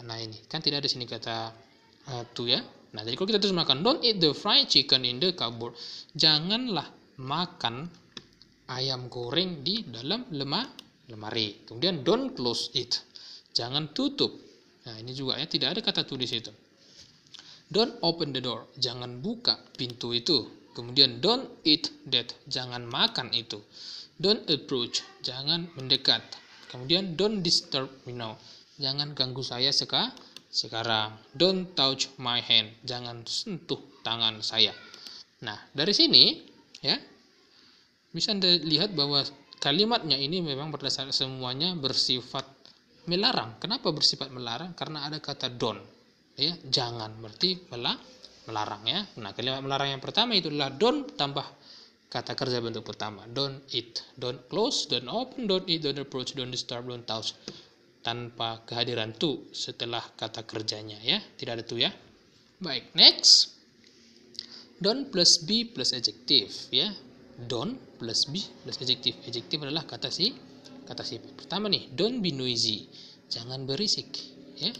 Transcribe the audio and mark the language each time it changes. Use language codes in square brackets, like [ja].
[id] Nah, ini kan tidak ada sini kata to, ya. Nah, jadi kalau kita terus makan, [en] don't eat the fried chicken in the cupboard. [id] Janganlah makan ayam goreng di dalam lemari. Kemudian [en] don't close it. [id] Jangan tutup. Nah, ini juga, ya, tidak ada kata to di situ. [en] Don't open the door. [id] Jangan buka pintu itu. Kemudian [en] don't eat that, [id] jangan makan itu. [en] Don't approach, [id] jangan mendekat. Kemudian [en] don't disturb me now, [id] jangan ganggu saya sekarang. [en] Don't touch my hand, [id] jangan sentuh tangan saya. Nah, dari sini, ya, bisa Anda lihat bahwa kalimatnya ini memang berdasarkan semuanya bersifat melarang. Kenapa bersifat melarang? Karena ada kata don't, ya, jangan, berarti melarang, ya. Nah, kalimat melarang yang pertama itu adalah don't tambah kata kerja bentuk pertama. [en] Don't eat, don't close, don't open, don't eat, don't approach, don't disturb, don't touch. [id] Tanpa kehadiran to setelah kata kerjanya, ya. Tidak ada to, ya. Baik, next. [en] Don't plus be plus adjective, [id] ya. [en] Don't plus be plus adjective. [id] Adjective adalah kata sifat. Pertama nih, [en] don't be noisy. [id] Jangan berisik, ya.